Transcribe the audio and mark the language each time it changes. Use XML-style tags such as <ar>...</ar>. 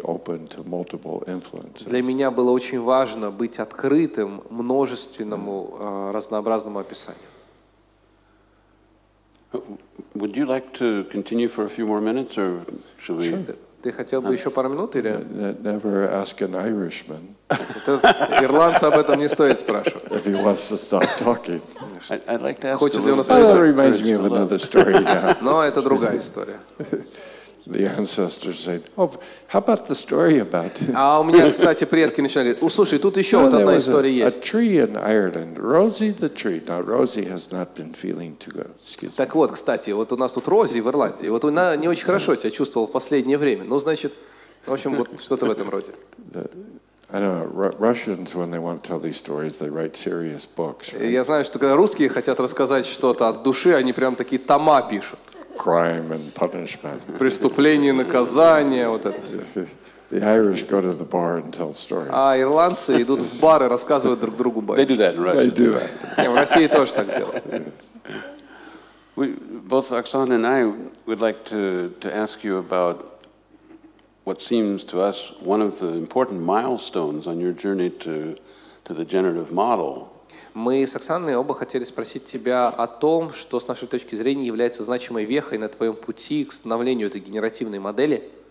<ru>Для меня было очень важно быть открытым множественному разнообразному описанию.</ru> <en>Would you like to continue for a few more minutes, or should we?</en> <ru>Ты хотел бы еще пару минут или?</ru> <en>Never ask an Irishman.</en> <ru>Ирландца об этом не стоит спрашивать.</ru> <en>If he wants to stop talking. I'd like to ask.</en> <ru>Хочет ли он остаться?</ru> <en>That reminds me of another story.</en> <ru>Но это другая история.</ru> <en>The ancestors said, "Oh, how about the story about?"</en> <ru>А у меня, кстати, предки начинают говорить: "Услушай, тут еще вот одна история есть."</ru> <en>A tree in Ireland, Rosie the tree. Now Rosie has not been feeling too good. Excuse me.</en> <ru>Так вот, кстати, вот у нас тут Рози в Ирландии. Вот она не очень хорошо себя чувствовала в последнее время. Ну, значит, в общем, вот что-то в этом роде.</ru> <en>I know Russians, when they want to tell these stories, they write serious books.</en> <ru>Я знаю, что когда русские хотят рассказать что-то от души, они прям такие тома пишут.</ru> <en>Crime and punishment.</en> <ru>Преступление, наказание, вот это все.</ru> <en>The Irish go to the bar and tell stories.</en> <ru>А ирландцы идут в бары, рассказывают друг другу байки.</ru> <en>They do that in Russia. They do that.</en> <ru>В России тоже так делают.</ru> <en>Both Oksana and I would like to ask you about what seems to us one of the important milestones on your journey to the generative model.</en> <ru>Мы с Оксаной оба хотели спросить тебя о том, что с нашей точки зрения является значимой вехой на твоем пути к становлению этой генеративной модели.</ru>